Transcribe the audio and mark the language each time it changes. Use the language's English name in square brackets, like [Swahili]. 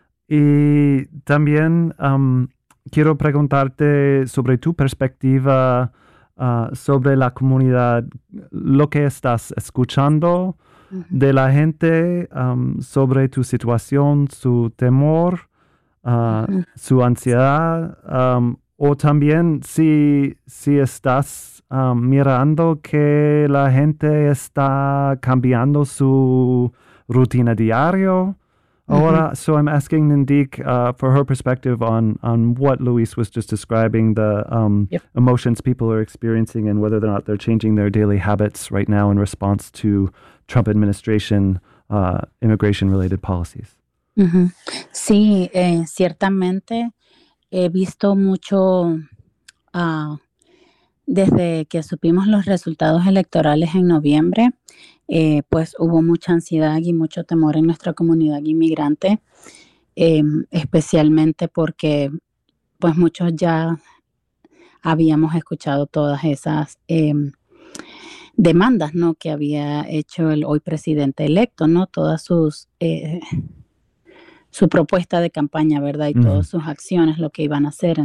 [Spanish] Y también quiero preguntarte sobre tu perspectiva sobre la comunidad, lo que estás escuchando de la gente sobre tu situación, su temor, su ansiedad, o también si estás mirando que la gente está cambiando su rutina diaria. [English] Ahora, so I'm asking Nandik for her perspective on what Luis was just describing, the emotions people are experiencing and whether or not they're changing their daily habits right now in response to Trump administration immigration-related policies. Mm-hmm. [Spanish] Sí, ciertamente he visto mucho desde que supimos los resultados electorales en noviembre. Pues hubo mucha ansiedad y mucho temor en nuestra comunidad inmigrante, especialmente porque pues muchos ya habíamos escuchado todas esas demandas, ¿no?, que había hecho el hoy presidente electo, ¿no?, todas sus su propuesta de campaña, ¿verdad?, y todas sus acciones, lo que iban a hacer.